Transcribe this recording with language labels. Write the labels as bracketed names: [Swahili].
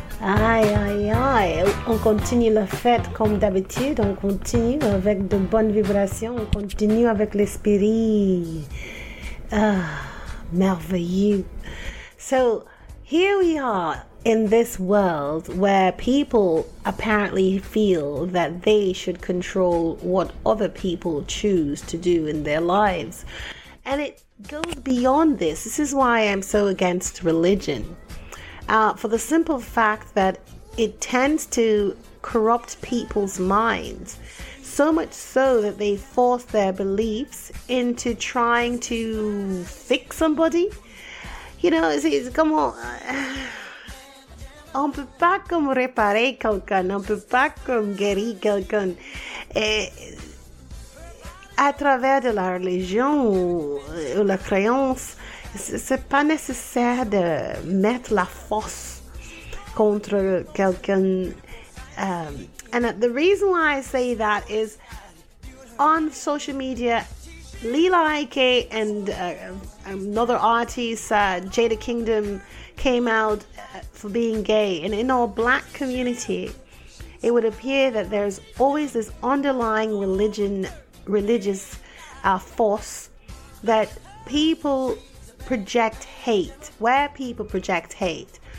[French] On continue la fête comme d'habitude, on continue avec de bonnes vibrations, on continue avec l'esprit. Ah, merveilleux. [English] So, here we are in this world where people apparently feel that they should control what other people choose to do in their lives. And it goes beyond this. This is why I'm so against religion. For the simple fact that it tends to corrupt people's minds, so much so that they force their beliefs into trying to fix somebody. You know, it's come on. [French] On peut pas comme réparer quelqu'un, on peut pas comme guérir quelqu'un. À travers de la religion ou la croyance, c'est pas nécessaire de mettre la force contre quelqu'un. [English] And the reason why I say that is on social media Lila Ike and another artist, Jada Kingdom, came out for being gay. And in our black community, it would appear that there's always this underlying religious force that people project hate, where people project hate.